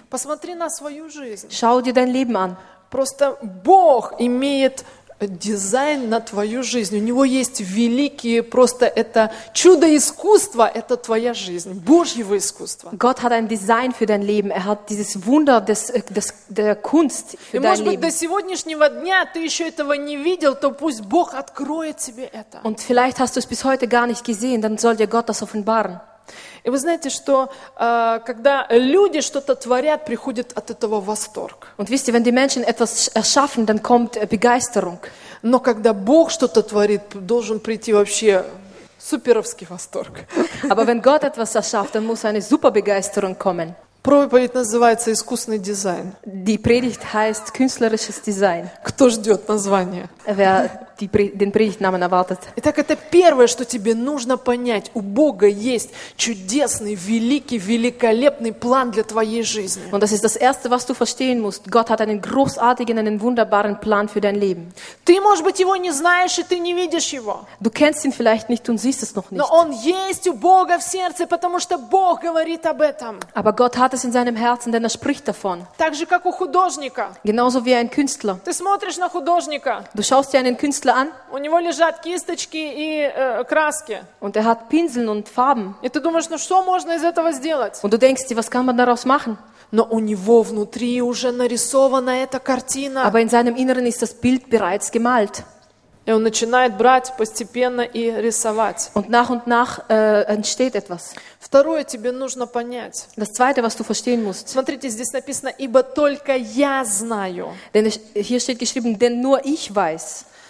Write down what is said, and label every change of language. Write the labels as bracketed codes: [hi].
[ru] Посмотри на свою жизнь. [de] Schau dir dein Leben an. [ru] Просто Бог имеет дизайн на твою жизнь. У него есть великие, просто это чудо искусства, это твоя жизнь, Божьего искусства. [de] Gott hat ein Design für dein Leben. Er hat dieses Wunder der Kunst für dein Leben. [ru] И может быть, до сегодняшнего дня ты еще этого не видел, то пусть Бог откроет тебе это. [de] Und vielleicht hast du es bis heute gar nicht gesehen, dann soll dir Gott das offenbaren. [ru] И вы знаете, что когда люди что-то творят, приходит от этого восторг. [de] Und wisst ihr, wenn die Menschen etwas erschaffen, dann kommt Begeisterung. [ru] Но когда Бог что-то творит, должен прийти вообще суперовский восторг. [de] Aber wenn Gott etwas erschafft, dann muss eine super Begeisterung kommen. [ru] Проповедь называется «Искусный дизайн». [de] Die Predigt heißt «Künstlerisches Design». [ru] Кто ждет название? [de] Wer den Predigtnamen erwartet? [ru] Итак, это первое, что тебе нужно понять. У Бога есть чудесный, великий, великолепный план для твоей жизни. [de] Und das ist das Erste, was du verstehen musst. Gott hat einen großartigen, einen wunderbaren Plan für dein Leben. [ru] Ты, может быть, его не знаешь, и ты не видишь его. [de] Du kennst ihn vielleicht nicht und siehst es noch nicht. [ru] Но он есть у Бога в сердце, потому что Бог говорит об этом. [de] Aber Gott hat es in seinem Herzen, denn er spricht davon. [ru] Так же, как у художника. [de] Genauso wie ein Künstler. [ru] Ты смотришь на художника. [de] Du schaust dir einen Künstler an. [ru] У него лежат кисточки и краски. [de] Und er hat Pinseln und Farben. [ru] И ты думаешь, ну что можно из этого сделать? [de] Und du denkst, was kann man daraus machen? [ru] Но у него внутри уже нарисована эта картина. [de] Aber in seinem Inneren ist das Bild bereits gemalt. [ru] И он начинает брать постепенно и рисовать. [de] Und nach und nach entsteht etwas. [ru] Второе тебе нужно понять. [de] Das Zweite, was du verstehen musst. [ru] Смотрите, здесь написано, ибо только я знаю. [de] Denn hier steht geschrieben, denn nur ich weiß.